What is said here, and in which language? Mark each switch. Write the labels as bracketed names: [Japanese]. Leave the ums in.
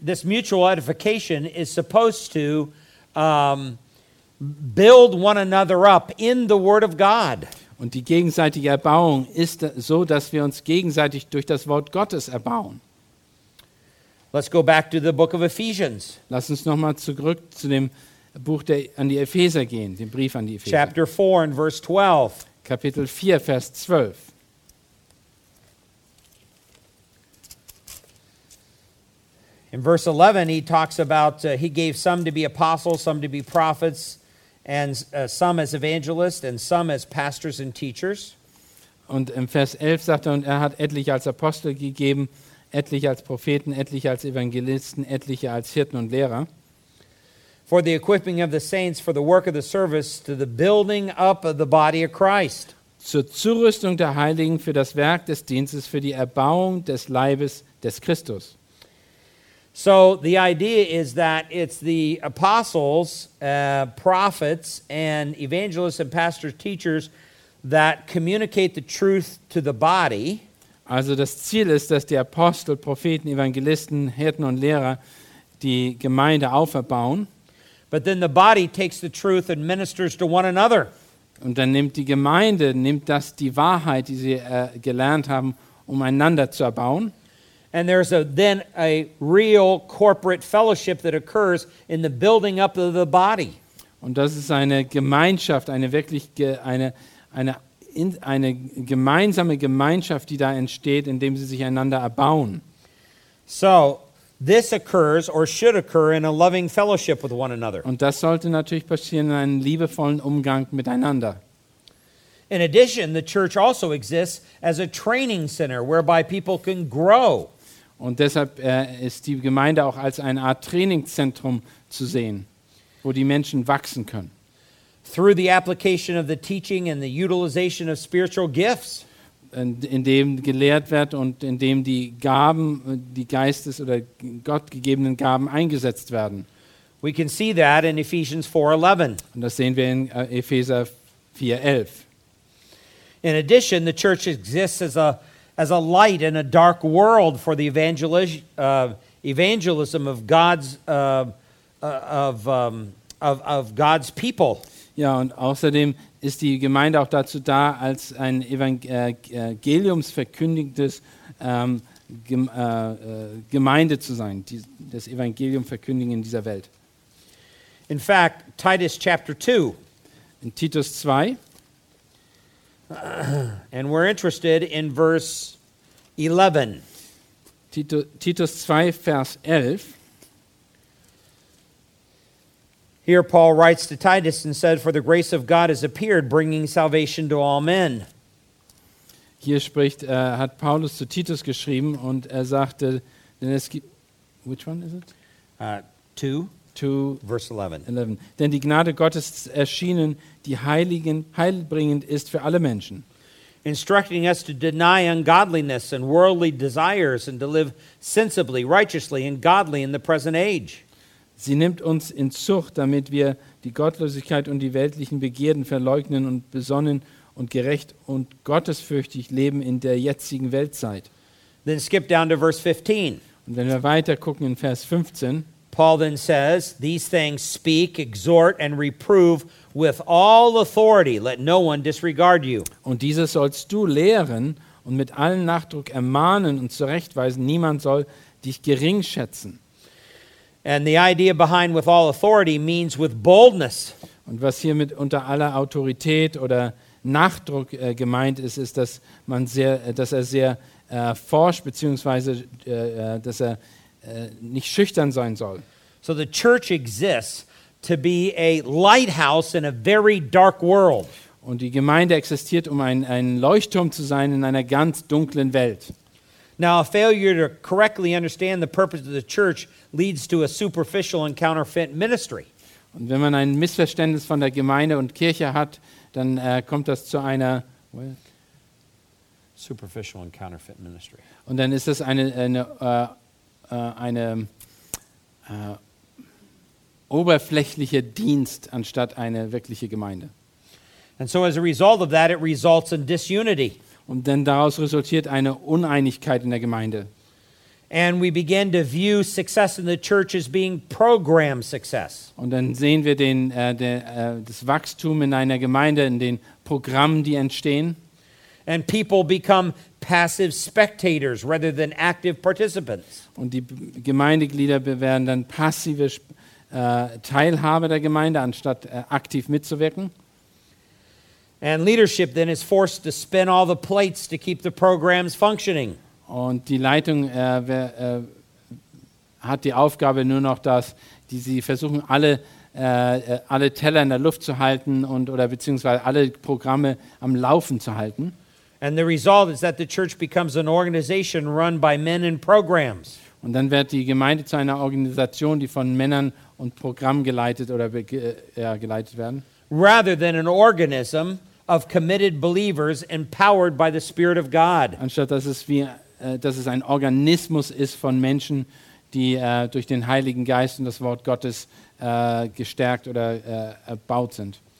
[English] this mutual edification is supposed to um, build one another up in the Word of God. [German] Und die gegenseitige Erbauung ist so, dass wir uns gegenseitig durch das Wort Gottes erbauen. [English] Let's go back to the book of Ephesians. [German] Lass uns nochmal zurück zu dem Buch der, an die Epheser gehen, dem Brief an die Epheser. [English] Chapter 4 and verse 12. [German] Kapitel 4, Vers 12. [English] In verse 11, he talks about uh, he gave some to be apostles, some to be prophets, and uh, some as evangelists, and some as pastors and teachers. And in [German] Vers 11 sagt er, und er hat etliche als Apostel gegeben, etliche als Propheten, etliche als Evangelisten, etliche als Hirten und Lehrer. [English] For the equipping of the saints for the work of the service to the building up of the body of Christ. [German] Zur Zurüstung der Heiligen für das Werk des Dienstes für die Erbauung des Leibes des Christus. [English] So the idea is that it's the apostles, uh, prophets, and evangelists and pastors, teachers that communicate the truth to the body. [German] Also das Ziel ist, dass die Apostel, Propheten, Evangelisten, Hirten und Lehrer die Gemeinde auferbauen. [English] But then the body takes the truth and ministers to one another. [German] Und dann nimmt die Gemeinde nimmt das die Wahrheit, die sie äh, gelernt haben, um einander zu erbauen [English] and there's a, then a real corporate fellowship that occurs in the building up of the body. [German] Und das ist eine Gemeinschaft, eine wirklich ge, eine, eine, in, eine gemeinsame Gemeinschaft, die da entsteht, indem sie sich einander erbauen. [English] So, this occurs or should occur in a loving fellowship with one another. [German] Und das sollte natürlich passieren in einem liebevollen Umgang miteinander. [English] In addition, the church also exists as a training center whereby people can grow. [German] Und deshalb ist die Gemeinde auch als eine Art Trainingszentrum zu sehen, wo die Menschen wachsen können. [English] Through the application of the teaching and the utilization of gifts. [German] In dem gelehrt wird und in dem die Gaben, die Geistes- oder Gottgegebenen Gaben eingesetzt werden. [English] We 4, [German] und das sehen wir in Epheser 4, 11. [English] In addition, the church exists as a as a light in a dark world for the uh, evangelism of God's, uh, uh, of, um, of, of, God's people. [German] Ja, und außerdem ist die Gemeinde auch dazu da, als ein evangeliumsverkündigtes ähm, um, gem Gemeinde zu sein, die, das in dieser Welt. [English] In fact, Titus chapter 2. In Titus 2 and we're interested in verse 11. Tito, Titus 2, verse 11. Here Paul writes to Titus and said, For the grace of God has appeared, bringing salvation to all men. Here [German] spricht, uh, hat Paulus zu Titus geschrieben und er sagte, [English] which one is it? two. To verse 11. 11. [German] Denn die Gnade Gottes erschienen, die Heiligen, heilbringend ist für alle Menschen. [English] Instructing us to deny ungodliness and worldly desires and to live sensibly, righteously and godly in the present age. [German] Sie nimmt uns in Zucht, damit wir die Gottlosigkeit und die weltlichen Begierden verleugnen und besonnen und gerecht und gottesfürchtig leben in der jetzigen Weltzeit. [English] Then skip down to verse 15. [German] Und wenn wir weiter gucken in Vers 15. [English] Paul [German] dann [English] says, These things speak, exhort, and reprove with all authority. Let no one disregard you. [German] Und dieses sollst du lehren und mit allen Nachdruck ermahnen und zurechtweisen. Niemand soll dich gering schätzen. [English] And the idea behind with all authority means with boldness. [German] Und was hier mit unter aller Autorität oder Nachdruck äh, gemeint ist, ist, dass, man sehr, dass er sehr äh, forscht, beziehungsweise äh, dass er nicht schüchtern sein soll. So Und die Gemeinde existiert, um ein, ein Leuchtturm zu sein in einer ganz dunklen Welt. [English] Now a failure to correctly understand the purpose of the church leads to a superficial and counterfeit ministry. [German] Und wenn man ein Missverständnis von der Gemeinde und Kirche hat, dann äh, kommt das zu einer [English] well. superficial and counterfeit ministry. [German] Und dann ist das eine, eine, eine eine, äh, eine oberflächliche Dienst anstatt eine wirkliche Gemeinde. So Und denn daraus resultiert eine Uneinigkeit in der Gemeinde. In Und dann sehen wir den, äh, den äh, das Wachstum in einer Gemeinde in den Programmen die entstehen. [English] And people become [German] und die Gemeindeglieder werden dann passive uh, Teilhabe der Gemeinde anstatt uh, aktiv mitzuwirken. [English] And leadership then is forced to spin all the plates to keep the programs functioning. [German] Und die Leitung uh, wer, hat die Aufgabe nur noch, dass die sie versuchen alle alle Teller in der Luft zu halten und oder beziehungsweise alle Programme am Laufen zu halten. Und dann wird die Gemeinde zu einer Organisation, die von Männern und Programmen geleitet oder ge äh, geleitet werden. [English] Rather than an organism of committed believers empowered by the spirit of God. [German] Anstatt dass es wie äh, dass es ein Organismus ist von Menschen, die äh, durch den Heiligen Geist und das Wort Gottes gestärkt oder erbaut sind.